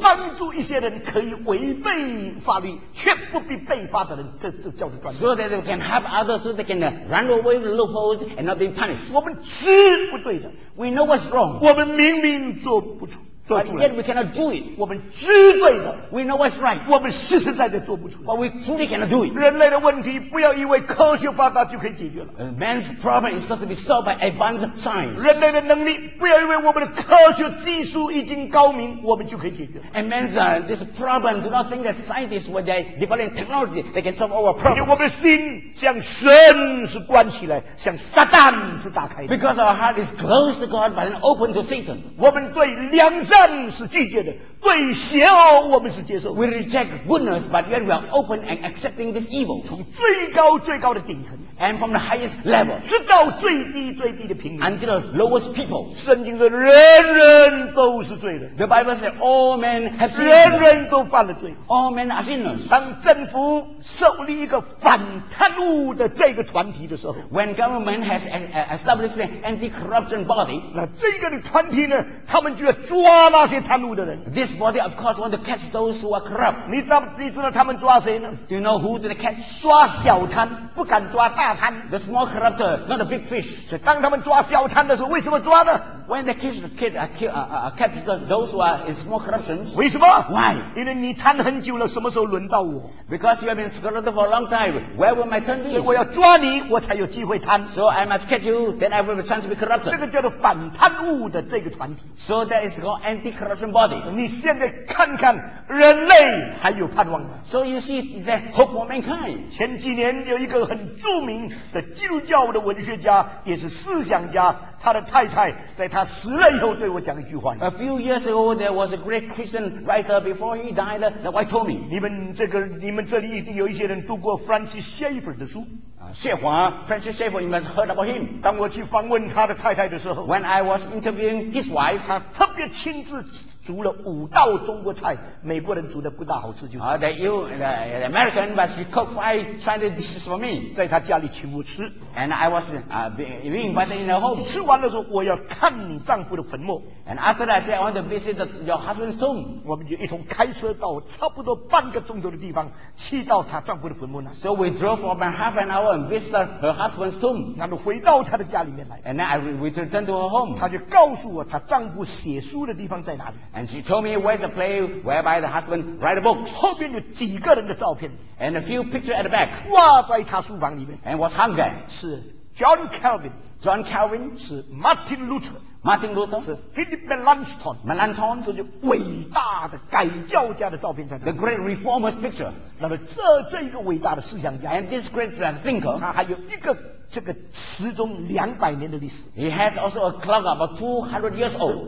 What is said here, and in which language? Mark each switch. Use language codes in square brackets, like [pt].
[zh] 帮助一些人可以违背法律却不必被罚的人，这叫做专家。 [en] So that they can help others, so they canRun away with loopholes and not being punished. [zh] 我们知不对的。 [en] We know what's wrong. [zh] 我们明明做不出。 [en] But yet we cannot do it. [zh] 我们知对的。 [en] We know what's right. [zh] 我们实实在在做不出。 [en] But we truly cannot do it. [zh] 人类的问题不要以为科学发达就可以解决了。 [en] Man's problem is not to be solved by advanced science. [zh] 人类的能力不要以为我们的科学技术已经高明，我们就可以解决。 [en] And man's this problem, do not think that scientists when they develop technology, they can solve our problem. [zh] 因为我们的心像神是关起来，像撒旦是打开的。 [en] Because our heart is closed to God, but open to Satan. [zh] 我们对良善善是拒绝的，对邪恶我们是接受的。 [en] We reject goodness, but yet we are open and accepting this evil. [zh] 从最高最高的顶层 [en] ，and from the highest level， [zh] 直到最低最低的平民 [en] ，until the lowest people。 [zh] 圣经说，人人都是罪人。 [en] The Bible says all men have sinned. [zh] 人人都犯了罪。 [en] All men are sinners. [zh] 当政府设立一个反贪污的这个团体的时候 [en] ，when government has established an anti-corruption body， [zh] 那这个团体呢，他们就要抓。那些贪污的人 [en] ，This body of course want to catch those who are corrupt. [zh] 你知道他们抓谁呢 [en] ？Do you know who they catch? [zh] 抓小贪，不敢抓大贪。 [en] The small corruptor, not the big fish. [zh] 所以当他们抓小贪的时候，为什么抓呢 [en] ？When they catch the kid, catch those who are in small corruptions. [zh] 为什么 [en] ？Why? [zh] 因为你贪很久了，什么时候轮到我 [en] ？Because you have been corrupt for a long time. Where will my turn be? [zh] 所以我要抓你，我才有机会贪。 [en] So I must catch you, then I will have a chance to be corrupted. [zh] 这个叫做反贪污的这个团体。 [en] So that is called anti-corruption body. [zh] 你现在看看人类还有盼望吗 [en] ？So you see, it's a hope for mankind. [zh] 前几年有一个很著名的基督教的文学家，也是思想家。他的太太在他死了以后对我讲一句话。 [en] A few years ago, there was a great Christian writer. Before he died, the wife told me, [zh] 你们这里一定有一些人读过 Francis Schaeffer 的书。 [en] 谢华 ，Francis Schaeffer, you must heard about him. [zh] 当我去访问他的太太的时候 [en] ，When I was interviewing his wife, [zh] 他特别亲自煮了五道中国菜，美国人煮的不大好吃，就是。 [en] That you, the American, must cook five Chinese dishes for me. [zh] 在他家里请我吃。 [en] And I was being invited in the home. [zh] 吃完了说，我要看你丈夫的坟墓。 [en] And after that, I said, I want to visit your husband's tomb. [zh] 我们就一同开车到差不多半个钟头的地方，去到他丈夫的坟墓呢。 [en] So we drove for about half an hour and visited her husband's tomb. [zh] 然后回到他的家里面来。 [en] And then I returned to her home. [zh] 他就告诉我他丈夫写书的地方在哪里。 [en] And she told me where's the place whereby the husband write a book. [zh] 后面有几个人的照片。 [en] And a few pictures at the back. [zh] 挂在他书房里面。 [en] And was hung there. [zh] 是 John Calvin. [en] John Calvin. [zh] 是 Martin Luther. [en] Martin Luther. [zh] 是 Philip Melanchthon. [en] Melanchthon. [zh] 这就伟大的改教家的照片在那。 [en] The great reformer's picture. [zh] 那么这一个伟大的思想家。 [en] And this great thinker. [zh] 他还有一个这个时钟两百年的历史。 [en] He has also a clock about 200 years old.